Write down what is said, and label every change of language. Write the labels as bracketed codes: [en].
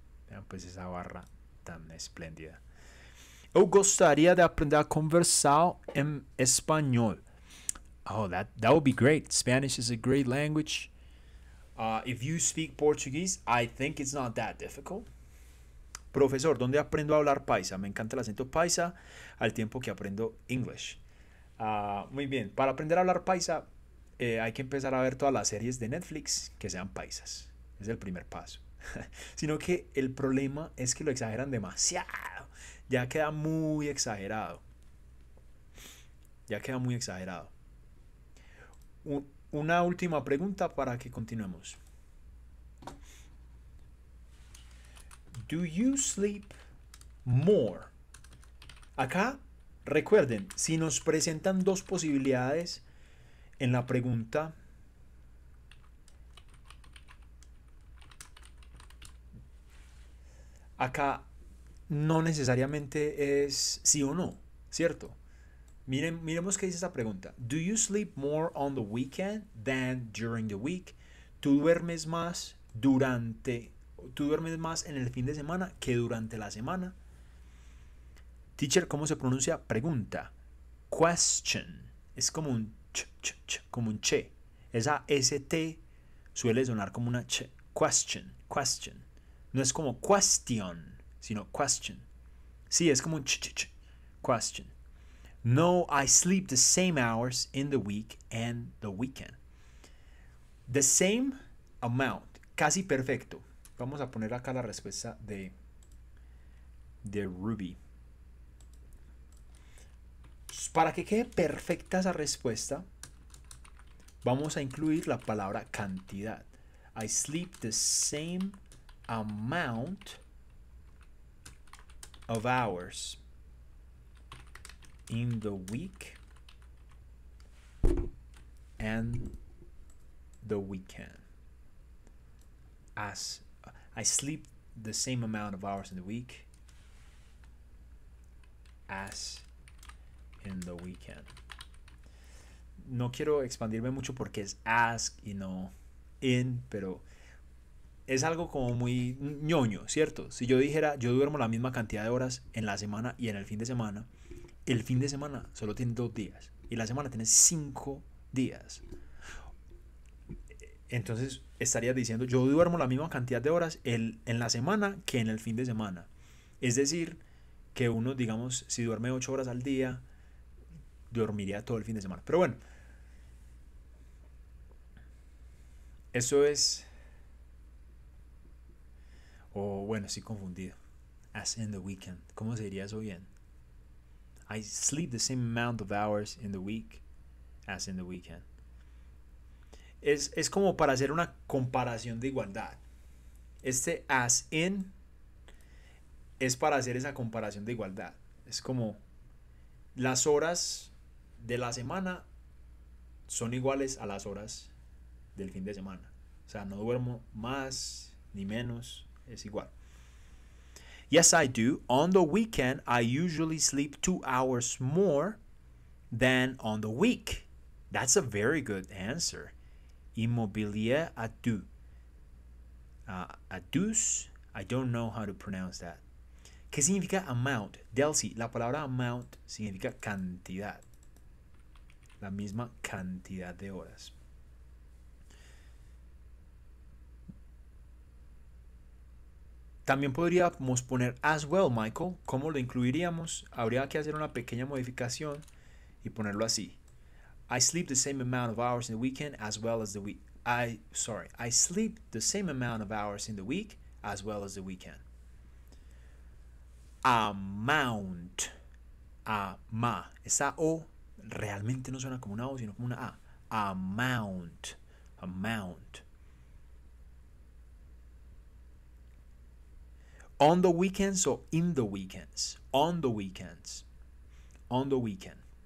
[es] Vean pues esa barra tan espléndida. Yo gustaría de aprender a conversar en español. [en] Oh, that would be great. Spanish is a great language. If you speak Portuguese, I think it's not that difficult. [es] Profesor, ¿dónde aprendo a hablar paisa? Me encanta el acento paisa al tiempo que aprendo English. Muy bien, para aprender a hablar paisa hay que empezar a ver todas las series de Netflix que sean paisas. Es el primer paso. Sino que el problema es que lo exageran demasiado. Ya queda muy exagerado. Ya queda muy exagerado. Una última pregunta para que continuemos. [en] Do you sleep more? [es] Acá, recuerden, si nos presentan dos posibilidades en la pregunta. Acá no necesariamente es sí o no, ¿cierto? Miremos qué dice esa pregunta. [en] Do you sleep more on the weekend than during the week? [es] ¿Tú duermes más durante, tú duermes más en el fin de semana que durante la semana? Teacher, ¿cómo se pronuncia? Pregunta. Question. Es como un ch, como un che. Esa ST suele sonar como una ch question, question. No es como question, sino question. Sí, es como un ch, ch, ch, question. [en] No, I sleep the same hours in the week and the weekend. The same amount. [es] Casi perfecto. Vamos a poner acá la respuesta de Ruby. Para que quede perfecta esa respuesta, vamos a incluir la palabra cantidad. [en] I sleep the same amount of hours in the week and the weekend. As I sleep the same amount of hours in the week as in the weekend. [es] No quiero expandirme mucho porque es ask y no in, pero es algo como muy ñoño, ¿cierto? Si yo dijera yo duermo la misma cantidad de horas en la semana y en el fin de semana solo tiene 2 días y la semana tiene 5 días. Entonces estaría diciendo yo duermo la misma cantidad de horas en la semana que en el fin de semana. Es decir, que uno, digamos, si duerme 8 horas al día, dormiría todo el fin de semana. Pero bueno, eso es. Bueno, estoy confundido. [en] As in the weekend. [es] ¿Cómo se diría eso bien? [en] I sleep the same amount of hours in the week as in the weekend. [es] Es como para hacer una comparación de igualdad. Este as in es para hacer esa comparación de igualdad. Es como las horas de la semana son iguales a las horas del fin de semana. O sea, no duermo más ni menos, es igual. [en] Yes, I do. On the weekend, I usually sleep 2 hours more than on the week. That's a very good answer. Immobilier adu. Adus, I don't know how to pronounce that. [es] ¿Qué significa amount? Delcy, la palabra amount significa cantidad. La misma cantidad de horas. También podríamos poner as well, Michael. ¿Cómo lo incluiríamos? Habría que hacer una pequeña modificación y ponerlo así. [en] I sleep the same amount of hours in the weekend as well as the week. Sorry. I sleep the same amount of hours in the week as well as the weekend. Amount. Ama. [es] Esa O realmente no suena como una O, sino como una A. [en] Amount. Amount. On the weekends o in the weekends. On the weekends. On the weekend.